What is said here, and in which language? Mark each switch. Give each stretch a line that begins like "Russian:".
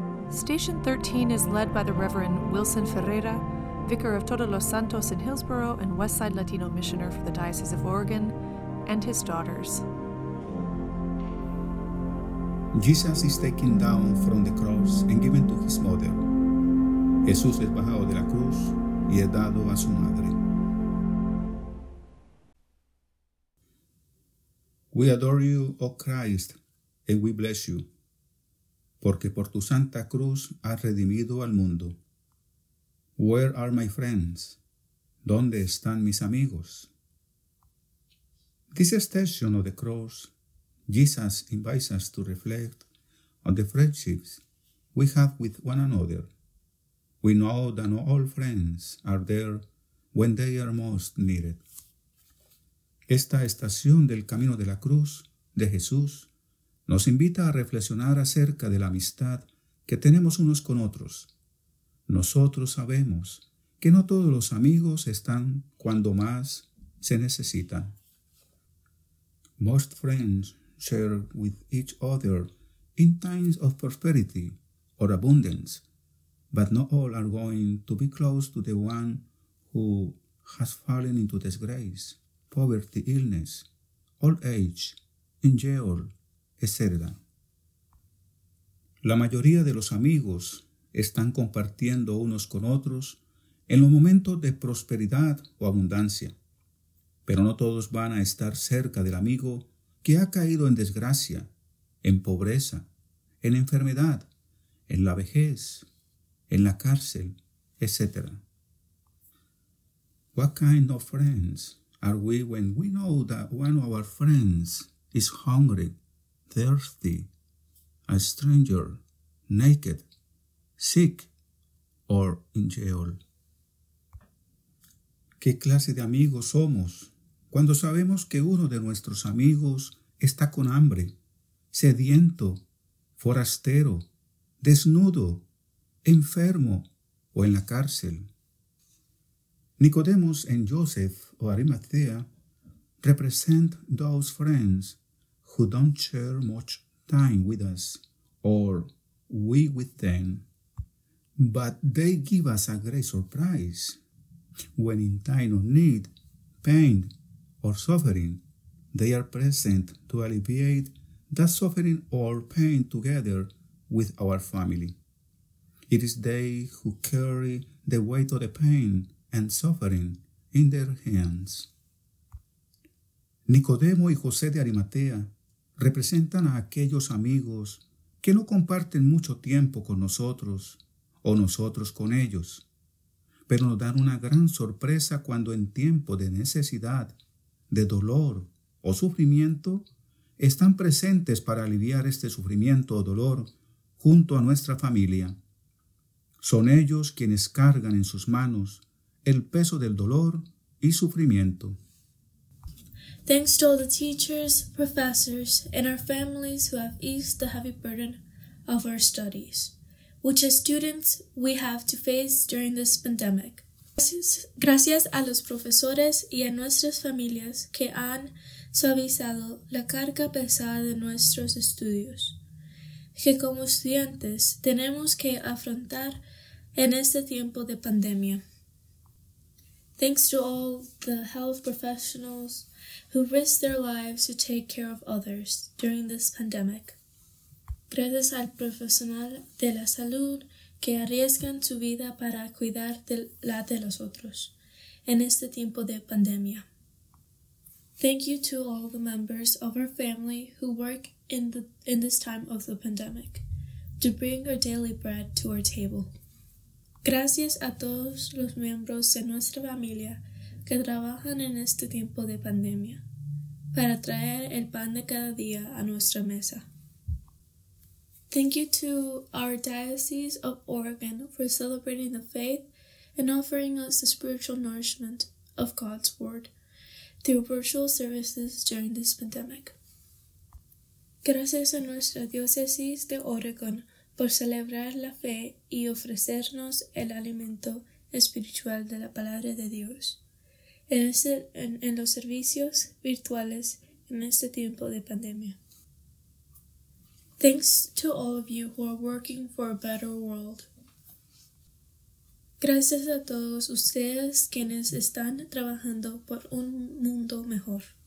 English: Station 13 is led by the Reverend Wilson Ferreira, Vicar of Todos los Santos in Hillsboro and Westside Latino Missioner for the Diocese of Oregon, and his daughters. Jesus is taken down from the cross and given to his mother.
Spanish: Jesús es bajado de la cruz y es dado a su madre.
English: We adore you, O Christ, and we bless you,
Spanish: porque por tu santa cruz has redimido al mundo.
English: Where are my friends?
Spanish: ¿Dónde están mis amigos?
English: This station of the cross, Jesus invites us to reflect on the friendships we have with one another. We know that not all friends are there when they are most needed.
Spanish: Esta estación del camino de la cruz de Jesús nos invita a reflexionar acerca de la amistad que tenemos unos con otros. Nosotros sabemos que no todos los amigos están cuando más se necesitan.
English: Most friends share with each other in times of prosperity or abundance, but not all are going to be close to the one who has fallen into disgrace, poverty, illness, old age, in jail, etc.
Spanish: La mayoría de los amigos están compartiendo unos con otros en los momentos de prosperidad o abundancia, pero no todos van a estar cerca del amigo que ha caído en desgracia, en pobreza, en enfermedad, en la vejez, en la cárcel, etc.
English: What kind of friends are we when we know that one of our friends is hungry, thirsty, a stranger, naked, sick, or in jail?
Spanish: ¿Qué clase de amigos somos cuando sabemos que uno de nuestros amigos está con hambre, sediento, forastero, desnudo, enfermo o en la cárcel?
English: Nicodemus and Joseph of Arimathea represent those friends who don't share much time with us or we with them, but they give us a great surprise when in time of need, pain, or suffering, they are present to alleviate that suffering or pain together with our family. It is they who carry the weight of the pain and suffering in their hands.
Spanish: Nicodemo y José de Arimatea representan a aquellos amigos que no comparten mucho tiempo con nosotros o nosotros con ellos, pero nos dan una gran sorpresa cuando en tiempo de necesidad, de dolor o sufrimiento, están presentes para aliviar este sufrimiento o dolor junto a nuestra familia. Son ellos quienes cargan en sus manos el peso del dolor y sufrimiento.
English: Thanks to all the teachers, professors, and our families who have eased the heavy burden of our studies, which as students we have to face during this pandemic.
Spanish: Gracias a los profesores y a nuestras familias que han suavizado la carga pesada de nuestros estudios, que como estudiantes tenemos que afrontar en este tiempo de pandemia.
English: Thanks to all the health professionals who risk their lives to take care of others during this pandemic.
Spanish: Gracias al profesional de la salud que arriesgan su vida para cuidar de la de los otros en este tiempo de pandemia.
English: Thank you to all the members of our family who work in this time of the pandemic to bring our daily bread to our table.
Spanish: Gracias a todos los miembros de nuestra familia que trabajan en este tiempo de pandemia para traer el pan de cada día a nuestra mesa.
English: Thank you to our Diocese of Oregon for celebrating the faith and offering us the spiritual nourishment of God's Word through virtual services during this pandemic.
Spanish: Gracias a nuestra Diócesis de Oregon por celebrar la fe y ofrecernos el alimento espiritual de la Palabra de Dios en los servicios virtuales en este tiempo de pandemia.
English: Thanks to all of you who are working for a better world.
Spanish: Gracias a todos ustedes quienes están trabajando por un mundo mejor.